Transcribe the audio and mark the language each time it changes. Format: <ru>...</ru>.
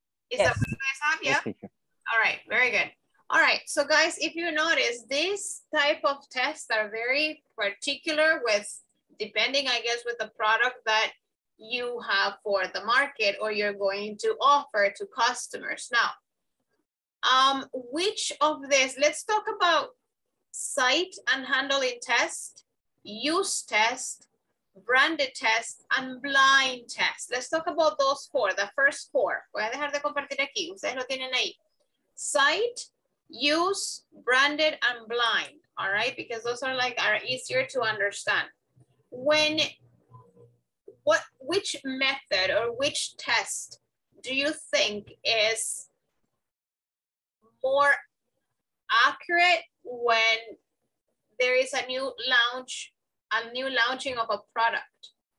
<en>Is that what you guys have? Yeah. All right, very good. All right, so guys, if you notice, these type of tests are very particular with, depending, I guess, with the product that you have for the market or you're going to offer to customers. Now, which of this, let's talk about cite and handling test, use test, branded test, and blind test. Let's talk about those four, the first four.</en> <es>Voy a dejar de compartir aquí, ustedes lo tienen ahí.</es> <en>Cite, use, branded, and blind, all right? Because those are like, are easier to understand. When, what, which method or which test do you think is more accurate when there is a new launching of a product?</en>